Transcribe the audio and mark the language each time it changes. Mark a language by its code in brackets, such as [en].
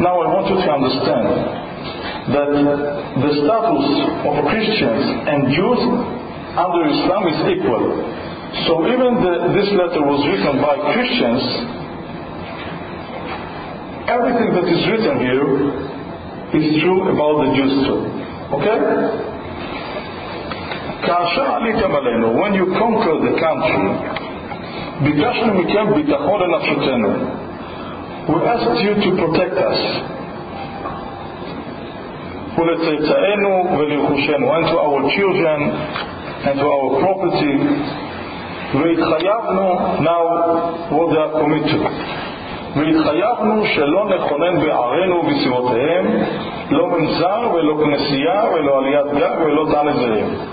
[en] Now I want you to understand that the status of Christians and Jews under Islam is equal. So even this letter was written by Christians, everything that is written here is true about the Jews too. Okay? [he] כאשר עליתם עלינו, [en] when you conquer the country, [he] ביקשנו מכם ביטחון לנפשותנו. [en] We asked you to protect us. [he] ולצאצאינו ולרכושנו, [en] and to our children and to our property. [he] והתחייבנו, [en] now what they are committed. [he] והתחייבנו שלא נכונן בערינו ובסביבותיהם, לא מנזר ולא כנסייה ולא עליית גג ולא תענת זרים.